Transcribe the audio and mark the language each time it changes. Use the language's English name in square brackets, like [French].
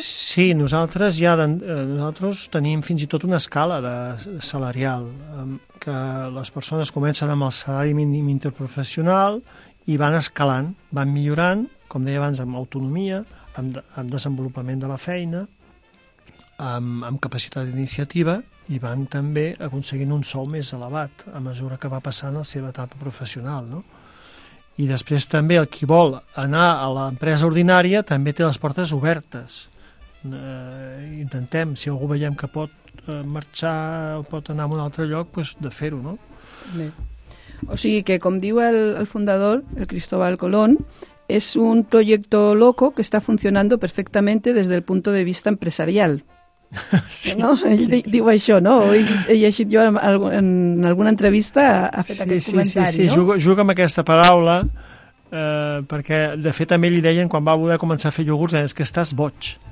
[Catalan] Sí, nosaltres tenim fins i tot una escala de salarial, que les persones comencen amb el salari mínim interprofessional i van escalant, van millorant, com deia abans, amb autonomia, amb desenvolupament de la feina, amb capacitat d'iniciativa, i van també aconseguint un sou més elevat a mesura que va passant la seva etapa professional, no? I després també el qui vol anar a l'empresa ordinària també té les portes obertes. Intentem, si algú veiem que pot marxar o pot anar a un altre lloc, doncs de fer-ho, no? Bé. O sigui que, com diu el fundador, el Cristóbal Colón, [Spanish] es un proyecto loco que está funcionando perfectamente desde el punto de vista empresarial. [Catalan] Sí, no? Ell sí, diu sí. Això, no? He llegit jo en alguna entrevista, ha fet aquest comentari. Sí, sí, sí, no? juga amb aquesta paraula, perquè de fet a ell li deien quan va voler començar a fer iogurts, és que estàs boig.